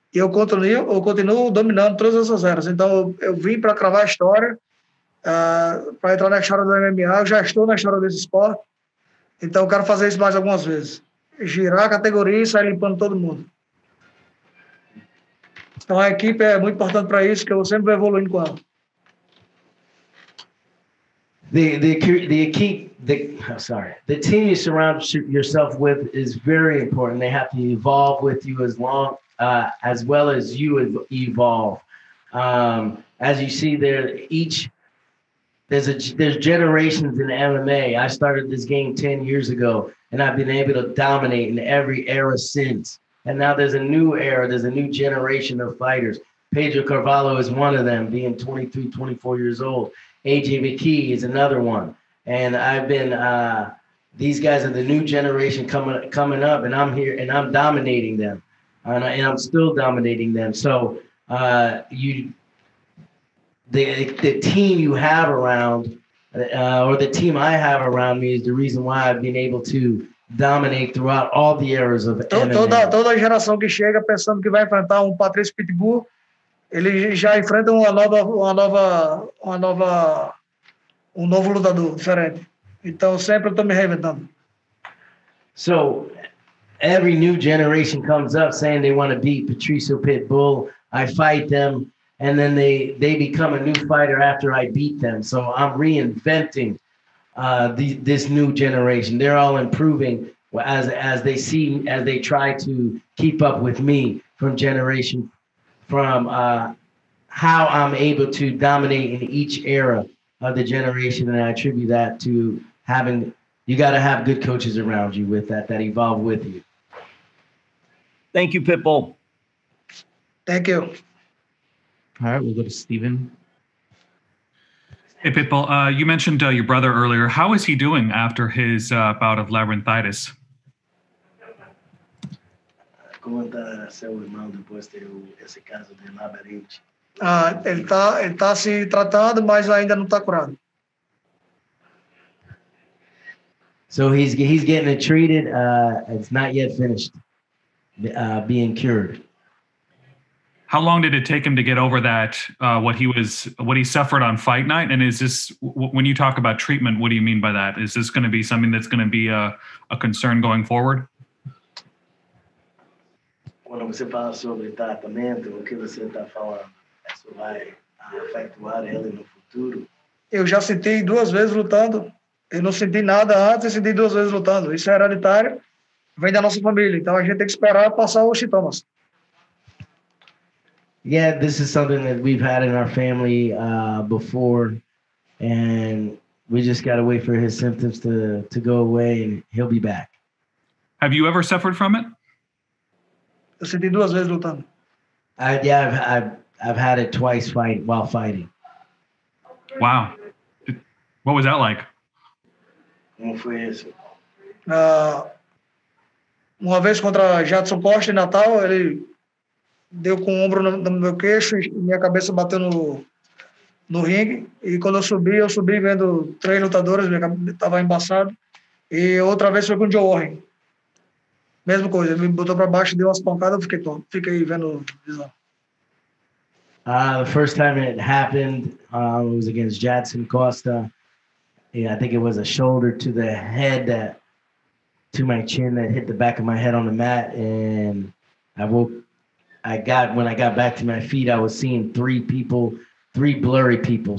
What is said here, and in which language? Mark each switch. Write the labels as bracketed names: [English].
[Portuguese] E eu continuo dominando todas essas eras. Então, eu vim para cravar a história, para entrar na história do MMA. Eu já estou na história desse esporte. Então, eu quero fazer isso mais algumas vezes. Girar a categoria e sair limpando todo mundo. Então, a equipe é muito importante para isso, que eu sempre vou evoluindo com ela. [English] The team you surround yourself with is very important. They have to evolve with you as well as you evolve. As you see there, there's generations in MMA. I started this game 10 years ago, and I've been able to dominate in every era since. And now there's a new era, there's a new generation of fighters. Pedro Carvalho is one of them, being 23, 24 years old. AJ McKee is another one. And I've been, these guys are the new generation coming up, and I'm here and I'm dominating them. And I'm still dominating them. So the team you have around, or the team I have around me, is the reason why I've been able to dominate throughout all the eras of MMA. Toda geração que chega pensando que vai enfrentar Patricio Pitbull, ele já enfrenta um novo lutador diferente. Então sempre eu tô me reinventando. So every new generation comes up saying they want to beat Patricio Pitbull. I fight them, and then they become a new fighter after I beat them. So I'm reinventing this new generation. They're all improving as they see, as they try to keep up with me from generation, from how I'm able to dominate in each era of the generation. And I attribute that to having, you got to have good coaches around you with that evolve with you. Thank you, Pitbull. Thank you. All right, we'll go to Steven. Hey, Pitbull, you mentioned your brother earlier. How is he doing after his bout of labyrinthitis? [Portuguese] conta seu irmão depois ter esse caso de labirinto? Ah, ele tá se tratando, mas ainda não tá curado. [English] So he's getting it treated. It's not yet finished being cured. How long did it take him to get over that, what he suffered on fight night? And is this, when you talk about treatment, what do you mean by that? Is this going to be something that's going to be a concern going forward? [Portuguese] Quando você fala sobre tratamento, o que você está falando, isso vai afetar ele no futuro? Eu já senti duas vezes lutando. Eu não senti nada antes, eu senti duas vezes lutando. Isso é hereditário, vem da nossa família. Então a gente tem que esperar passar os sintomas. [English] Yeah, this is something that we've had in our family before, and we just got to wait for his symptoms to go away, and he'll be back. Have you ever suffered from it? [Portuguese] Eu senti duas vezes lutando. [English] I've had it twice while fighting. Wow. What was that like? [Portuguese] Como foi isso? Uma vez contra Jadson Costa em Natal, ele... Deu com o ombro no meu queixo e minha cabeça bateu no ringue. E quando eu subi vendo três lutadores, minha cabeça tava embaçada. E outra vez foi com o Joe Warren. Mesma coisa, ele me botou para baixo, deu umas pancadas, fiquei vendo visão. [English] The first time it happened, it was against Jadson Costa. Yeah, I think it was a shoulder to the head to my chin that hit the back of my head on the mat. And when I got back to my feet, I was seeing three blurry people.